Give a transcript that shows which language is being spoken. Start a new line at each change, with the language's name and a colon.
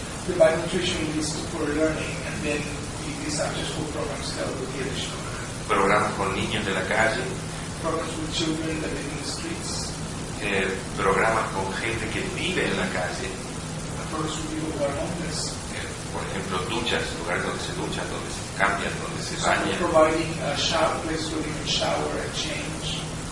English: The by nutrition is for learning, and then these after school programs help with the additional.
Spanish: Programas con niños de la calle.
English: Programs with children that live in the streets.
Spanish: Programas con gente que vive en la calle.
English: Programs with people who are homeless.
Spanish: Por ejemplo, duchas, lugares donde se duchan, donde se cambian, donde se bañan.
English: So providing a shower, place where they can shower and change.